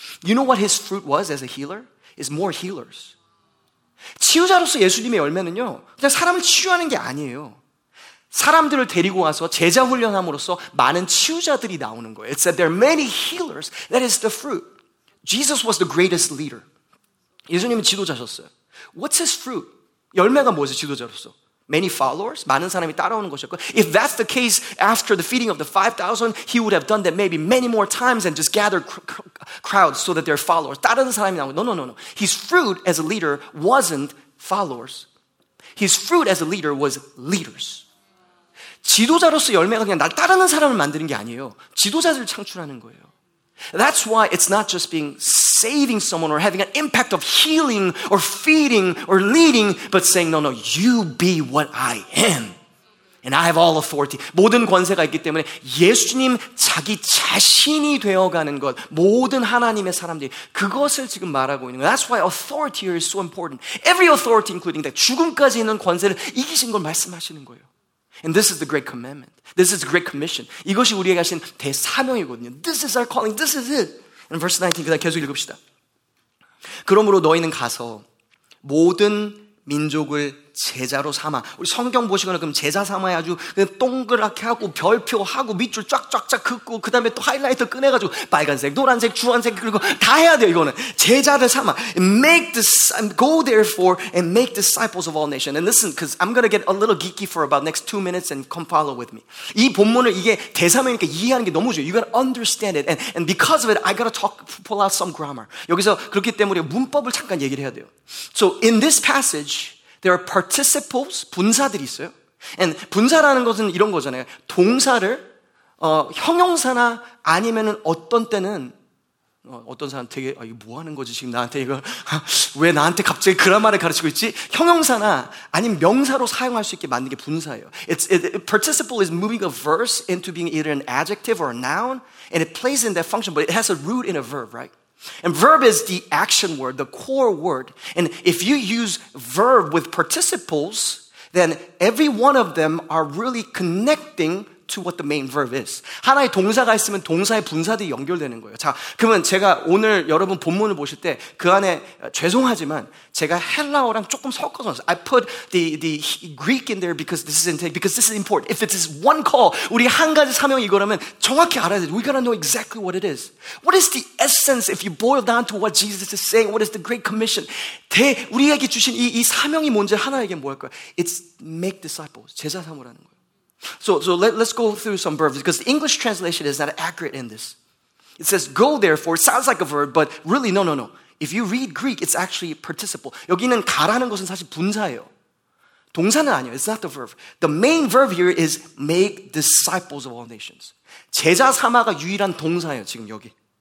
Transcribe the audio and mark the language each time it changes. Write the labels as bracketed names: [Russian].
[English] You know what his fruit was as a healer? Is more healers. [Korean] 치유자로서 예수님의 열매는요, 그냥 사람을 치유하는 게 아니에요. 사람들을 데리고 와서 제자 훈련함으로써 많은 치유자들이 나오는 거예요. [English] It's that there are many healers. That is the fruit. Jesus was the greatest leader. [Korean] 예수님은 지도자셨어요. [English] What's his fruit? [Korean] 열매가 뭐지, 지도자로서? [English] Many followers? [Korean] 많은 사람이 따라오는 것이었고. [English] If that's the case, after the feeding of the 5,000, he would have done that maybe many more times and just gathered crowds so that they're followers. [Korean] 다른 사람이 나오고. [English] No, no, no, no. His fruit as a leader wasn't followers. His fruit as a leader was leaders. [Korean] 지도자로서 열매가 그냥 날 따르는 사람을 만드는 게 아니에요. 지도자들을 창출하는 거예요. [English] That's why it's not just being saving someone or having an impact of healing or feeding or leading, but saying, no, no, you be what I am. And I have all authority. [Korean] 모든 권세가 있기 때문에 예수님 자기 자신이 되어가는 것, 모든 하나님의 사람들이 그것을 지금 말하고 있는 거예요. [English] That's why authority here is so important. Every authority, including that, [Korean] 죽음까지 있는 권세를 이기신 걸 말씀하시는 거예요. [English] And this is the great commandment. This is the great commission. [Korean] 이것이 우리에게 하신 대사명이거든요. [English] This is our calling. This is it. And verse 19, [Korean] 그다음 계속 읽읍시다. 그러므로 너희는 가서 모든 민족을 제자로 삼아. 우리 성경 보시거나 그럼 제자 삼아야 아주 그냥 동그랗게 하고 별표하고 밑줄 쫙쫙쫙 긋고 그 다음에 또 하이라이터 꺼내가지고 빨간색, 노란색, 주황색 그리고 다 해야 돼요, 이거는. 제자를 삼아. [English] Go therefore and make disciples of all nations. And listen, because I'm going to get a little geeky for about next 2 minutes and come follow with me. [Korean] 이 본문을 이게 대사명이니까 이해하는 게 너무 좋아요. [English] You got to understand it. And because of it, I got to pull out some grammar. [Korean] 여기서 그렇기 때문에 문법을 잠깐 얘기를 해야 돼요. [English] So in this passage, there are participles, [Korean] 분사들이 있어요. And 분사라는 것은 이런 거잖아요. 동사를 형용사나 아니면은 어떤 때는 어떤 사람 되게 이거 뭐 하는 거지 지금 나한테 이거 왜 나한테 갑자기 그라마를 가르치고 있지? 형용사나 아니면 명사로 사용할 수 있게 만든 게 분사예요. [English] Participle is moving a verse into being either an adjective or a noun, and it plays in that function, but it has a root in a verb, right? And verb is the action word, the core word. And if you use verb with participles, then every one of them are really connecting to what the main verb is. [Korean] 하나의 동사가 있으면 동사의 분사들이 연결되는 거예요. 자, 그러면 제가 오늘 여러분 본문을 보실 때 그 안에 죄송하지만 제가 헬라어랑 조금 섞어서 [English] I put the Greek in there because this is important. If it's one call, [Korean] 우리 한 가지 사명 이거라면 정확히 알아야 돼. [English] We gotta know exactly what it is. What is the essence if you boil down to what Jesus is saying? What is the Great Commission? [Korean] 우리에게 주신 이 사명이 뭔지 하나에게 뭐랄까요? [English] It's make disciples, [Korean] 제자 삼으라는 거예요. [English] So let's go through some verbs because the English translation is not accurate in this. It says go therefore. It sounds like a verb, but really no. If you read Greek, it's actually participle. [Korean] 여기는 가라는 것은 사실 분사예요. 동사는 아니에요. [English] It's not the verb. The main verb here is make disciples of all nations. [Korean] 제자 삼아가 유일한 동사예요, 지금 여기.